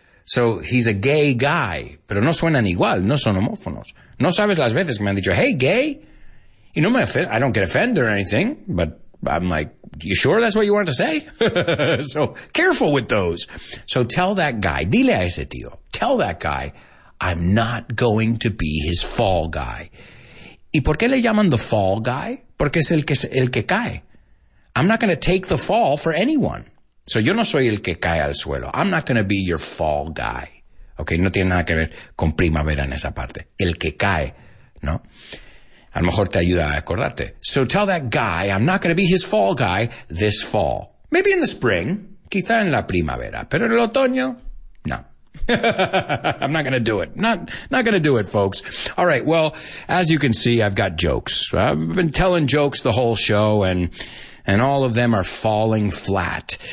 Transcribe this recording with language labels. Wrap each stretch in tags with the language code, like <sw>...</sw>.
<en>So he's a gay guy,</en> <es>pero no suenan igual, no son homófonos. No sabes las veces que me han dicho,</es> <en>hey, gay.</en> <es>Y no me</es> <en>offend, I don't get offended or anything, but I'm like, you sure that's what you want to say? So careful with those. So tell that guy,</en> <es>dile a ese tío,</es> <en>tell that guy, I'm not going to be his fall guy.</en> <es>¿Y por qué le llaman</es> <en>the fall guy?</en> <es>Porque es el que cae.</es> <en>I'm not going to take the fall for anyone.</en> <es>So, yo no soy el que cae al suelo.</es> <en>I'm not going to be your fall guy.</en> <es>Okay, no tiene nada que ver con primavera en esa parte. El que cae, ¿no? A lo mejor te ayuda a acordarte.</es> <en>So, tell that guy, I'm not going to be his fall guy this fall. Maybe in the spring,</en> <es>quizá en la primavera. Pero en el otoño, no.</es> <en>I'm not going to do it. Not going to do it, folks. All right, well, as you can see, I've got jokes. I've been telling jokes the whole show, and all of them are falling flat.</en>